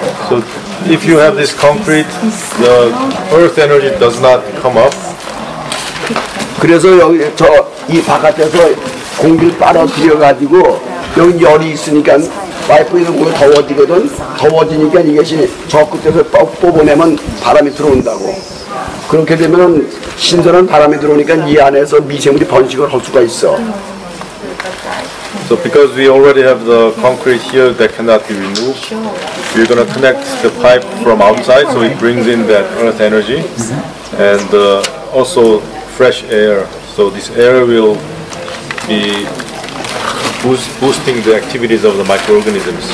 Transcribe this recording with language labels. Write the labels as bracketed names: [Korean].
[English] So if you have this concrete, the earth energy does not come up. [Korean] 그래서 여기 저 이 바깥에서 공기를 빨아들여 가지고 여기 열이 있으니까. 파이프 있는 곳이 더워지거든. 더워지니까 이것이 저 끝에서 뽑아내면 바람이 들어온다고. 그렇게 되면 신선한 바람이 들어오니까 이 안에서 미생물이 번식을 할 수가 있어. [English] So because we already have the concrete here that cannot be removed, we're going to connect the pipe from outside so it brings in that earth energy and also fresh air. So this air will be boosting the activities of the microorganisms.